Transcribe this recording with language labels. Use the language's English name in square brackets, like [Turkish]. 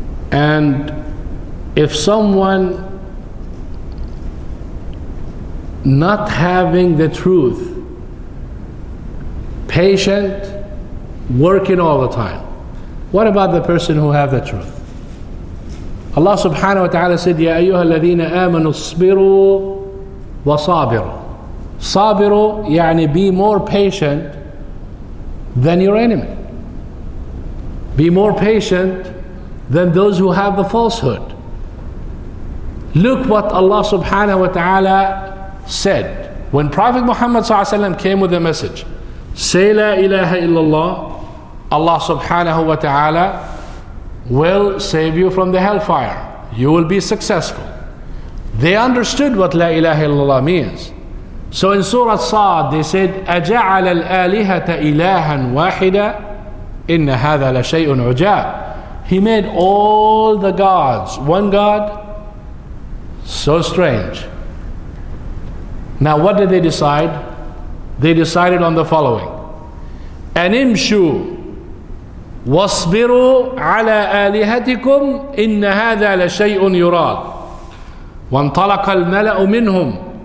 [English] And if someone not having the truth, patient, working all the time, what about the person who have the truth? [Arabic] Allah subhanahu wa ta'ala said, يَا أَيُّهَا الَّذِينَ آمَنُوا اصْبِرُوا وَصَابِرُوا. صَابِرُوا يعني [English] be more patient than your enemy. Be more patient than those who have the falsehood. Look what Allah subhanahu wa ta'ala said. When Prophet Muhammad sallallahu alayhi wa sallam came with a message, say la ilaha illallah, Allah subhanahu wa ta'ala will save you from the hellfire. You will be successful. They understood what la ilaha illallah means. So in Surah Sa'd, they said, [Arabic] أَجَعَلَ الْآلِهَةَ إِلَٰهًا وَاحِدًا إِنَّ هَذَا لَشَيْءٌ عُجَابٌ. [English] He made all the gods one god? So strange. Now what did they decide? They decided on the following. [Arabic] أَنِمْشُوا وَاصْبِرُوا عَلَىٰ آلِهَتِكُمْ إِنَّ هَذَا لَشَيْءٌ يُرَادٌ وَانْطَلَقَ الْمَلَأُ مِنْهُمْ.